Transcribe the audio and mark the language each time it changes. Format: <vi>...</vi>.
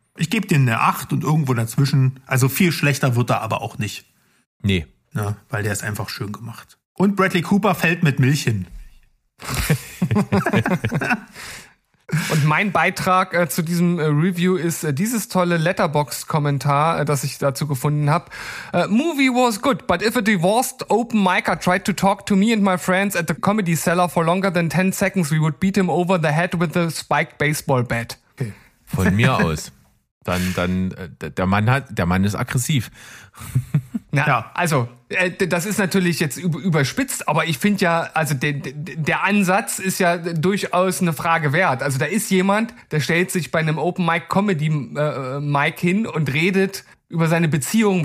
<de>Ich gebe den eine 8 und irgendwo dazwischen. Also viel schlechter wird er aber auch nicht. Nee. Na, weil der ist einfach schön gemacht. Und Bradley Cooper fällt mit Milch hin. Und mein Beitrag zu diesem Review ist dieses tolle Letterboxd-Kommentar, das ich dazu gefunden habe.</de> <en>Movie was good, but if a divorced open micer tried to talk to me and my friends at the Comedy Cellar for longer than 10 seconds, we would beat him over the head with a spiked baseball bat.</en> <de>Okay. Von mir aus. Dann der Mann ist aggressiv. Na, ja, also das ist natürlich jetzt überspitzt, aber ich finde ja, also der Ansatz ist ja durchaus eine Frage wert. Also da ist jemand, der stellt sich bei einem Open Mic Comedy Mic hin und redet über seine Beziehung.</de>